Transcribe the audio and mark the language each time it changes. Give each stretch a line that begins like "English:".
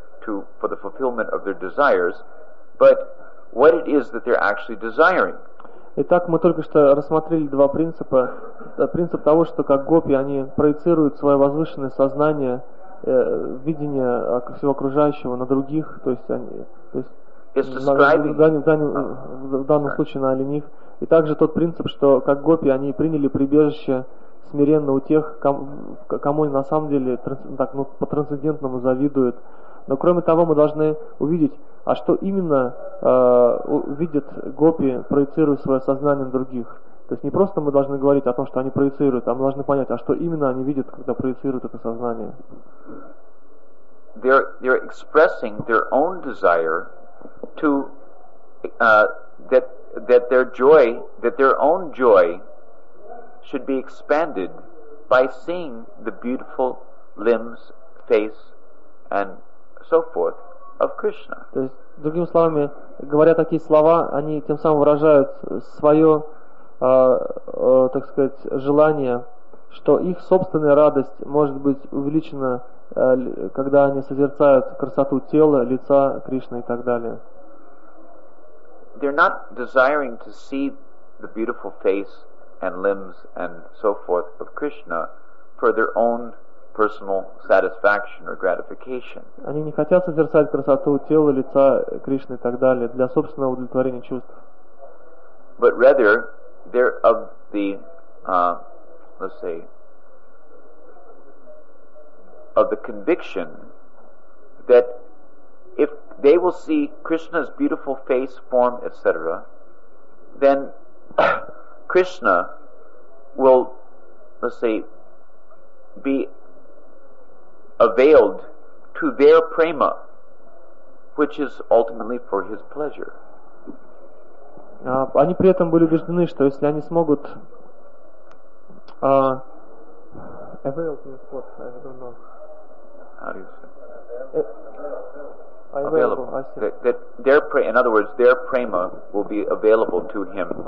English: for the fulfillment of their desires, but what it is that they're actually desiring.
Russian: Итак, мы только что рассмотрели два принципа. Принцип того, что как гопи, они проецируют свое возвышенное сознание, видение всего окружающего на других, то есть они, то есть в данном случае на оленях. И также тот принцип, что как гопи, они приняли прибежище смиренно у тех, кому они на самом деле по-трансцендентному завидуют. Но кроме того, мы должны увидеть, а что именно видят гопи, проецируя свое сознание на других. То есть не просто мы должны говорить о том, что они проецируют, а мы должны понять, а что именно они видят, когда проецируют это сознание.
English: They're expressing their own desire to that their joy, that their own joy should be expanded by seeing the beautiful limbs, face, and so forth of Krishna.
Russian: То есть, другими словами, говоря такие слова, они тем самым выражают свое, так сказать, желание, что их собственная радость может быть увеличена, когда они созерцают красоту тела, лица Кришны и так далее.
English: They're not desiring to see the beautiful face and limbs and so forth of Krishna for their own personal satisfaction or gratification.
Russian: Они не хотят созерцать красоту тела, лица Кришны и так далее для собственного удовлетворения чувств.
English: But rather they're of the let's say of the conviction that if they will see Krishna's beautiful face, form, etc., then Krishna will, let's say, be availed to their prema, which is ultimately for his pleasure.
Russian: Они при этом были убеждены, что если они смогут
English: availed to his pleasure, I don't know. How do you say? Available. That their prema, in other words, their prema will be available to him.